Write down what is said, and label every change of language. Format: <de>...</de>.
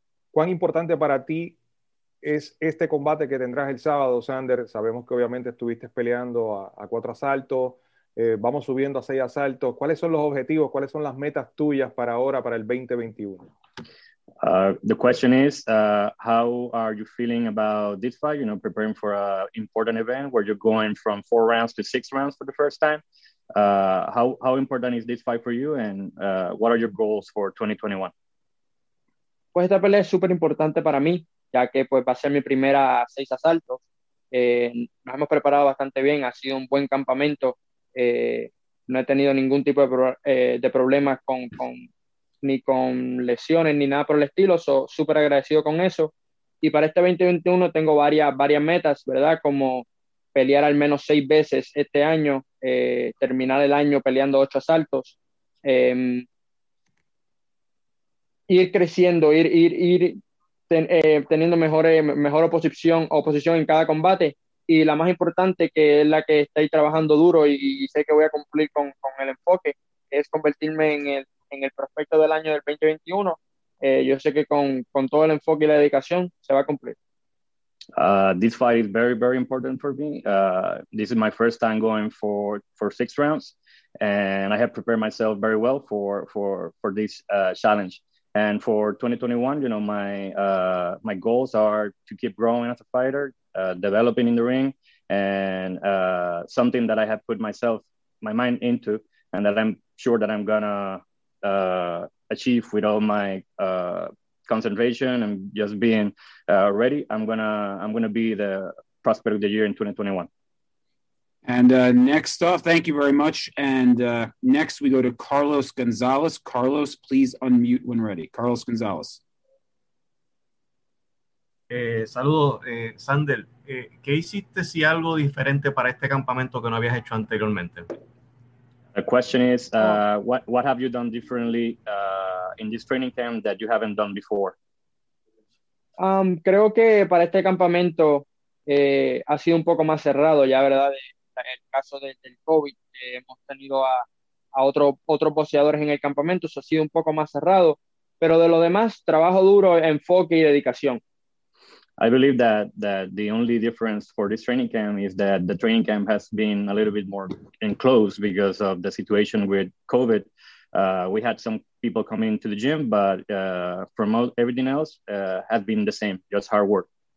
<es>¿Cuán importante para ti es este combate que tendrás el sábado, Xander? Sabemos que obviamente estuviste peleando a cuatro asaltos. Vamos subiendo a seis asaltos. ¿Cuáles son los objetivos? ¿Cuáles son las metas tuyas para ahora, para el 2021?</es> <en>The question is, how are you feeling about this fight, you know, preparing for an important event where you're going from four rounds to six rounds for the first time? How important is this fight for you, and what are your goals for 2021?</en> <es>Pues esta pelea es súper importante para mí, ya que pues va a ser mi primera 6 asaltos. Nos hemos preparado bastante bien, ha sido un buen campamento. No he tenido ningún tipo de problemas con ni con lesiones ni nada por el estilo. Soy súper agradecido con eso. Y para este 2021 tengo varias metas, ¿verdad? Como pelear al menos 6 veces este año, terminar el año peleando 8 asaltos. Ir creciendo, teniendo mejor oposición en cada combate. Y la más importante, que es la que estoy trabajando duro y sé que voy a cumplir con el enfoque, es convertirme en el prospecto del año del 2021. Yo sé que con todo el enfoque y la dedicación se va a cumplir.</es> <en>This fight is very, very important for me. This is my first time going for 6 rounds, and I have prepared myself very well for this challenge. And for 2021, you know, my goals are to keep growing as a fighter, developing in the ring, and something that I have put my mind into, and that I'm sure that I'm gonna achieve with all my concentration and just being ready. I'm gonna be the prospect of the year in 2021. And next off, thank you very much. And next we go to Carlos Gonzalez. Carlos, please unmute when ready. Carlos Gonzalez.</en> <es>Saludos, Xander. ¿Qué hiciste si algo diferente para este campamento que no habías hecho anteriormente?</es> <en>The question is, what have you done differently in this training camp that you haven't done before?</en> <es>Creo que para este campamento ha sido un poco más cerrado ya, ¿verdad? En el caso del COVID, hemos tenido a otros boxeadores en el campamento, eso ha sido un poco más cerrado, pero de lo demás, trabajo duro, enfoque y dedicación.</es> <en>I believe that the only difference for this training camp is that the training camp has been a little bit more enclosed because of the situation with COVID. We had some people come into the gym, but from everything else, has been the same, just hard work.</en>